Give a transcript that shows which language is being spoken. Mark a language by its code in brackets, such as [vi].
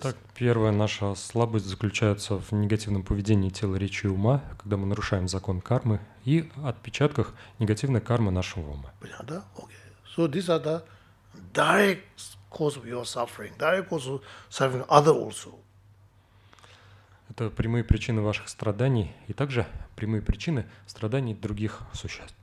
[ru] Так, первая наша слабость заключается в негативном поведении тела, речи и ума, когда мы нарушаем закон кармы и отпечатках негативной кармы нашего ума. Понятно? Okay. [en] So these are the direct cause of your suffering. Direct cause of suffering other also. [ru] Это прямые причины ваших страданий и также прямые причины страданий других существ.